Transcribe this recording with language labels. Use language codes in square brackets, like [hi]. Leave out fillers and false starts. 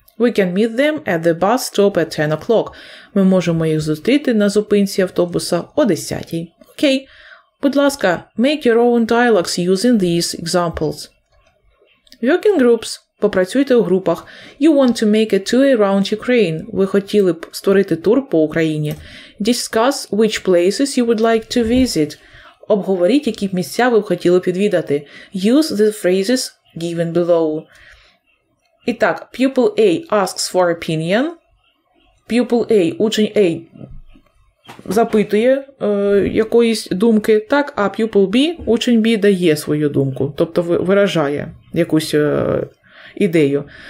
[en] We can meet them at the bus stop at 10 o'clock. [uk] Ми можемо їх зустріти на зупинці автобуса о 10. Окей. Будь ласка, [en] make your own dialogues using these examples. Working groups. [uk] Попрацюйте у групах. [en] You want to make a tour around Ukraine. [uk] Ви хотіли б створити тур по Україні. [en] Discuss which places you would like to visit. [uk] Обговоріть, які місця ви б хотіли б відвідати. [en] Use the phrases given below. [uk] І так, [en] pupil A asks for opinion. [uk] Pupil A, учень A, запитує якоїсь думки, так, а pupil B, учень B, дає свою думку, тобто виражає якусь ідею.